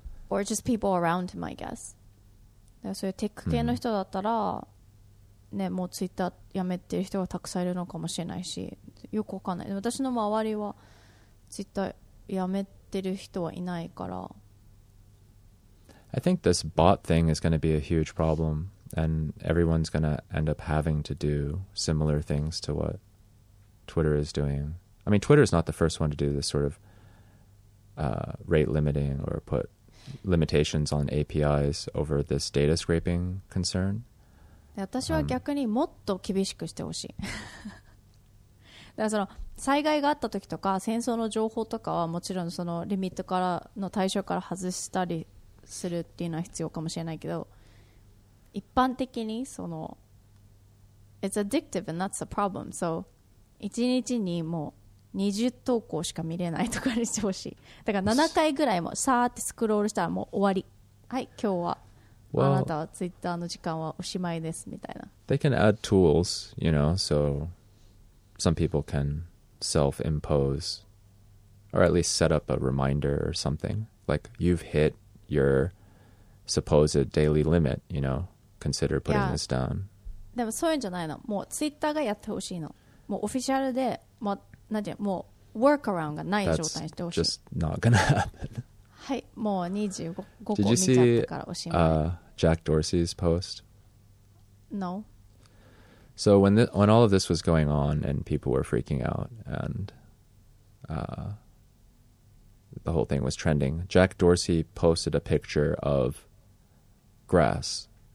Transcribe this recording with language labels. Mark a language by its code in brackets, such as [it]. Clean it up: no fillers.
[en] Or just people around him, I guess. [ja] だからそういうテック系の人だったら、うん、ね、もうツイッターやめてる人がたくさんいるのかもしれないし、よくわかんない。私の周りはツイッターやめてる人はいないから。 [en] I think this bot thing is going to be a huge problem, and everyone's going to end up having to do similar things to what Twitter is doing. I mean, Twitter is not the first one to do this sort of rate limiting or put limitations on APIs over this data scraping concern. [ja] 私は逆にもっと厳しくしてほしい。だからその災害があった時とか戦争の情報とかはもちろんそのリミットからの対象から外したりするっていうのは必要かもしれないけど、一般的にその [en] It's addictive and that's the problem. [ja] So 一日にもう20投稿しか見れないとかにしてほしい。だから7回ぐらいもさーってスクロールしたらもう終わり。はい、今日はあなたはツイッターの時間はおしまいですみたいな。 [en] Well, they can add tools, you know, so some people can self-impose or at least set up a reminder or something. Like you've hit your supposed daily limit, you know, consider putting this down. [ja] でもそういうんじゃないの。もうツイッターがやってほしいの。もうオフィシャルで、まあなんてもうワークアラウンドがない状態にしてほしい。 [en] That's just not gonna happen. [ja] はい、もう25個見ちゃったからおしまい。 [en] Did you see Jack Dorsey's post? No. So when all of this was going on and people were freaking out and the whole thing was trending, Jack Dorsey posted a picture of grass.